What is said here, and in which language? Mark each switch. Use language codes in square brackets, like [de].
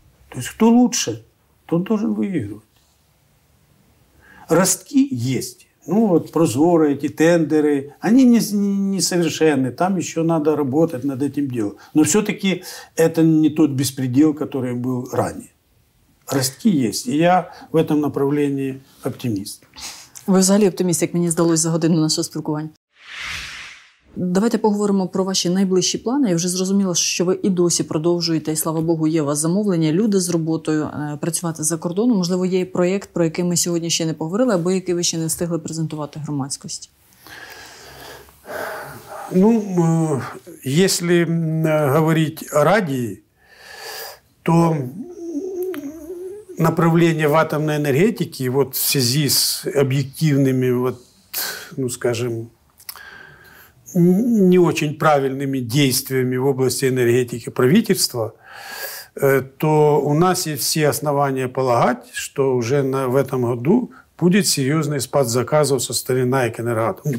[ru] То есть кто лучше, тот должен выигрывать. Ростки есть. Ну вот Прозоры, эти тендеры, они не совершенны. Там еще надо работать над этим делом. Но все-таки это не тот беспредел, который был ранее. Ростки есть. И я в этом направлении оптимист. [uk] Вы взагалі оптиміст, як мені здалось за годину нашого спілкування. Давайте поговоримо про ваші найближчі плани. Я вже зрозуміла, що ви і досі продовжуєте, і слава Богу, є у вас замовлення, люди з роботою, працювати за кордоном. Можливо, є проєкт, про який ми сьогодні ще не поговорили, або який ви ще не встигли презентувати громадськості? Ну, якщо говорити о радії, то направлення в атомній енергетиці, от в связи з об'єктивними, [ru] от, ну, скажімо, не очень правильными действиями в области энергетики правительства, то у нас есть все основания полагать, что уже в этом году будет серьезный спад заказов со стороны НАЭК «Энергоатом».